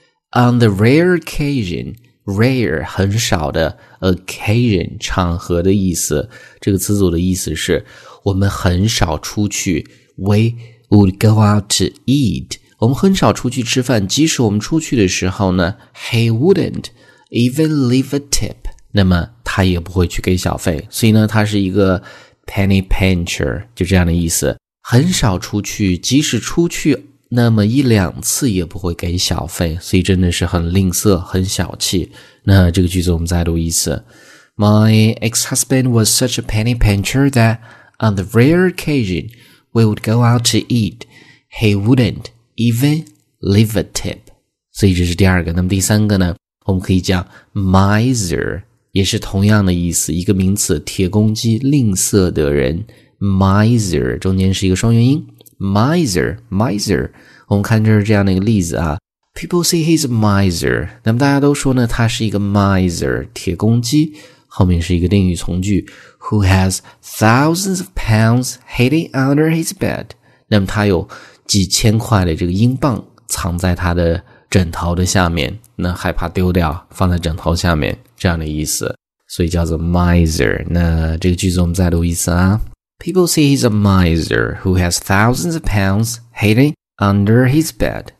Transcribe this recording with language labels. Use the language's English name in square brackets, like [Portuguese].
[English] on the rare occasion, [Chinese] rare 很少的 occasion 场合的意思，这个词组的意思是我们很少出去， [English] we would go out to eat, [Chinese] 我们很少出去吃饭，即使我们出去的时候呢， [English] he wouldn't even leave a tip, [Chinese] 那么他也不会去给小费，所以呢他是一个Penny pincher, 就这样的意思。很少出去，即使出去那么一两次也不会给小费，所以真的是很吝啬，很小气。那这个句子我们再读一次。 [English] My ex-husband was such a penny pincher that on the rare occasion we would go out to eat, he wouldn't even leave a tip. [Chinese] 所以这是第二个。那么第三个呢，我们可以讲 miser,也是同样的意思，一个名词，铁公鸡，吝啬的人， miser, 中间是一个双元音， miser, miser, 我们看这是这样的一个例子啊， [English] people say he's a miser, [Chinese] 那么大家都说呢他是一个 miser, 铁公鸡，后面是一个定语从句， [English] who has thousands of pounds hidden under his bed, [Chinese] 那么他有几千块的这个英镑藏在他的枕头的下面，那害怕丢掉放在枕头下面，这样的意思，所以叫做 miser。那这个句子我们再读一次啊。 [English] People say he's a miser who has thousands of pounds hidden under his bed。